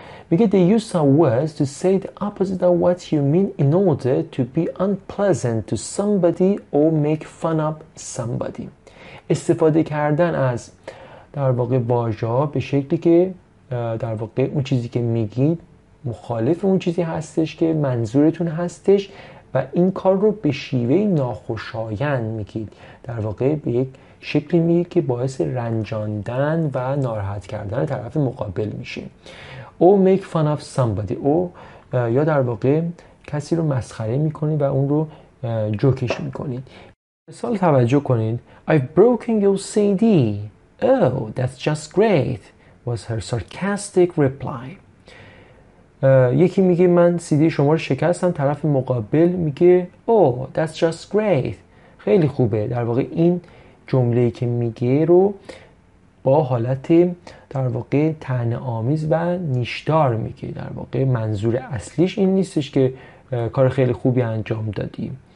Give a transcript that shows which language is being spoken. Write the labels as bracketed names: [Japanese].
[Persian] میگه [English] they use some words to say the opposite of what you mean in order to be unpleasant to somebody or make fun of somebody. [Persian] استفاده کردن از در واقع واژه‌ها به شکلی که در واقع اون چیزی که میگید مخالف اون چیزی هستش که منظورتون هستش و این کار رو به شیوه ناخوشایند میگید. در واقع به یک شکلی میگید که باعث رنجاندن و ناراحت کردن طرف مقابل میشه. او [English] make fun of somebody [Persian] او یا در واقع کسی رو مسخره میکنی و اون رو جوکش میکنی. مثال توجه کنید. [English] I've broken your CD. Oh, that's just great, was her sarcastic reply. [Persian] یکی میگه من CD شما رو شکستم. طرف مقابل میگه [English] Oh, that's just great. [Persian] خیلی خوبه. در واقع این جمله‌ای که میگه رو با حالت در واقع طعنه آمیز و نیشدار میگه. در واقع منظور اصلیش این نیستش که کار خیلی خوبی انجام دادی.